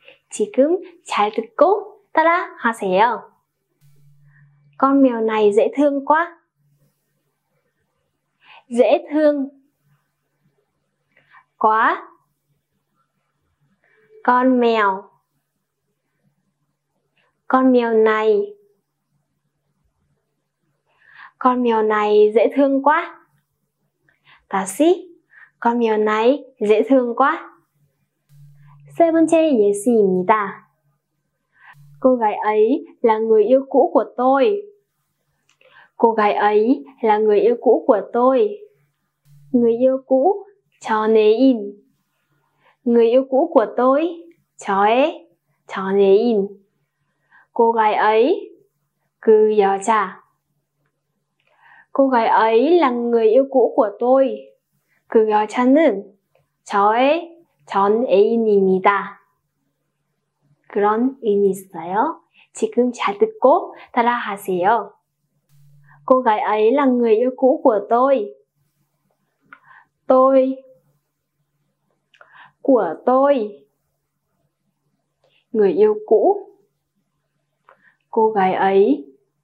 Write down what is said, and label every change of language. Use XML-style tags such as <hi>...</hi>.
<ko>지금 잘 듣고 따라하세요.</ko> <vi>Con mèo này dễ thương quá. Dễ thương. Quá. Con mèo. Con mèo này. Con mèo này dễ thương quá. Tả sĩ. Con mèo này dễ thương quá. Se bun chê yê xì mì ta. Cô gái ấy là người yêu cũ của tôi. Cô gái ấy là người yêu cũ của tôi. Người yêu cũ,</vi> <ko>전애인.</ko> <vi>Người yêu cũ của tôi,</vi> <ko>저의 전애인.</ko> <vi>Cô gái ấy,</vi> <ko>그 여자.</ko> <vi>Cô gái ấy là người yêu cũ của tôi.</vi> <ko>그 여자는 저의 전애인입니다. 그런 의미 있어요. 지금 잘 듣고 따라하세요.</ko> <vi>Cô gái ấy là người yêu cũ của tôi. Tôi. Của tôi. Người yêu cũ. Cô gái ấy.</vi>